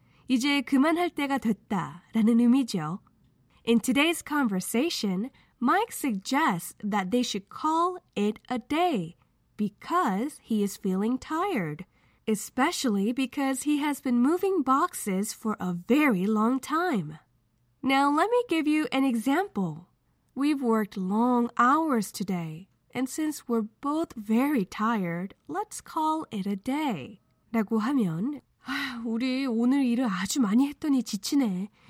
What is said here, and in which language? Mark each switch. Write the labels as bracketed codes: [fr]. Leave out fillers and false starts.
[ko] 이제 그만할 때가 됐다 라는 의미죠. [en] In today's conversation, Mike suggests that they should call it a day because he is feeling tired, especially because he has been moving boxes for a very long time. Now, let me give you an example. We've worked long hours today, and since we're both very tired, let's call it a day. [ko] 라고 하면, 아, 우리 오늘 일을 아주 많이 했더니 지치네.